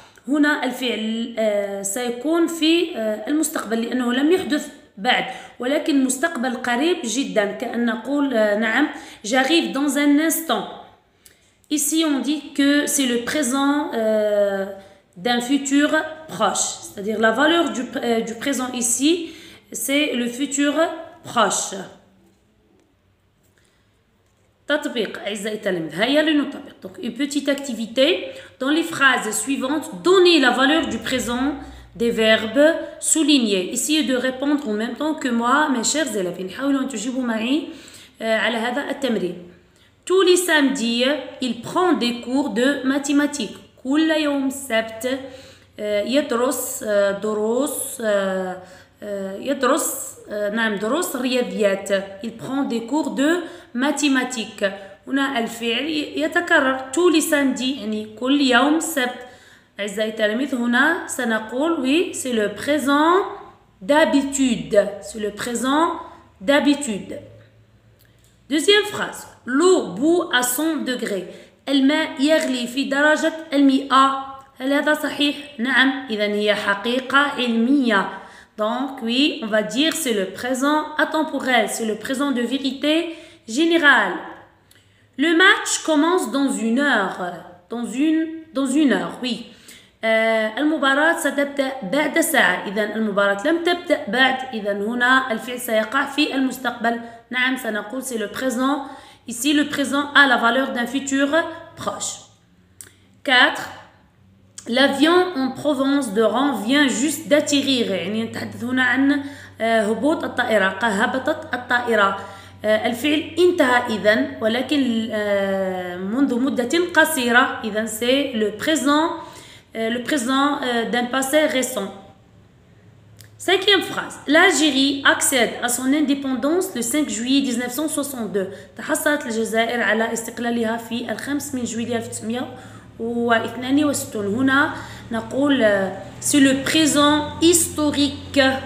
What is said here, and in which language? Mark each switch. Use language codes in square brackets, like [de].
[ar] هنا الفعل سيكون في المستقبل لأنه لم يحدث بعد ولكن مستقبل قريب جدا. كأن نقول نعم [fr] j'arrive dans un instant. Ici on dit que c'est le présent d'un futur proche. C'est-à-dire la valeur du présent ici c'est le futur proche. [ar] تطبيق أعزائي التلاميذ هيا لنطبق. [fr] Donc une petite activité dans les phrases suivantes donner la valeur du présent des verbes soulignés. Essayez de répondre en même temps que moi mes chers élèves. [ar] حاولوا أن تجيبوا معي على هذا التمرين. [fr] Tous les samedis, il prend des cours de mathématiques. [ar] كل يوم سبت يدرس دروس يدرس نعم دروس رياضيات. [fr] Il prend des cours de mathématiques. [ar] هنا الفعل يتكرر. [fr] Tous les samedis, [ar] يعني كل يوم سبت. أعزائي التلاميذ هنا سنقول [fr] oui, c'est le présent d'habitude. C'est le présent d'habitude. Deuxième phrase. L'eau bout à 100 degrés. [ar] الماء يغلي في درجة المئة. هل هذا صحيح؟ نعم. إذن هي حقيقة علمية. [fr] Donc oui, on va dire c'est le présent atemporel. C'est le présent de vérité générale. Le match commence dans une heure. Dans une heure, oui. [ar] المباراة ستبدأ بعد ساعة. إذن المباراة لم تبدأ بعد. إذن هنا الفعل سيقع في المستقبل. نعم سنقول [fr] c'est le présent. Ici, le présent a la valeur d'un futur proche. 4. L'avion en Provence de Rang vient juste d'atterrir. [ar] يعني نتحدث هنا عن هبوط الطائرة. هبطت الطائرة. الفعل انتهى إذن. ولكن منذ مدة قصيرة. [fr] إذن c'est le présent d'un passé récent. Cinquième phrase. L'Algérie accède à son indépendance le 5 juillet 1962. [ar] تحصلت الجزائر على استقلالها في 5 juillet 1962. هنا نقول [fr] c'est le présent historique.